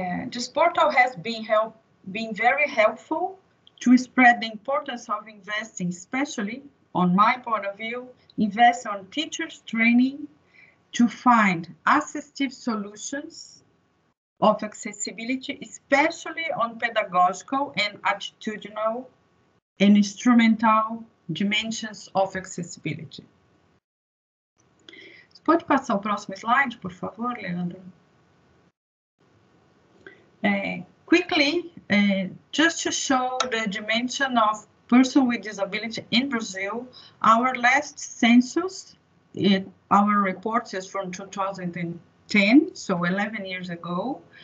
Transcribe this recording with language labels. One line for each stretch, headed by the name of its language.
English: This portal has been very helpful to spread the importance of investing, especially on my point of view, invest on teachers' training to find assistive solutions of accessibility, especially on pedagogical and attitudinal and instrumental dimensions of accessibility.
Portuguese: Pode passar o próximo slide, por favor, Leandro?
English: Quickly, just to show the dimension of person with disability in Brazil, our last census, our report is from 2010, so 11 years ago.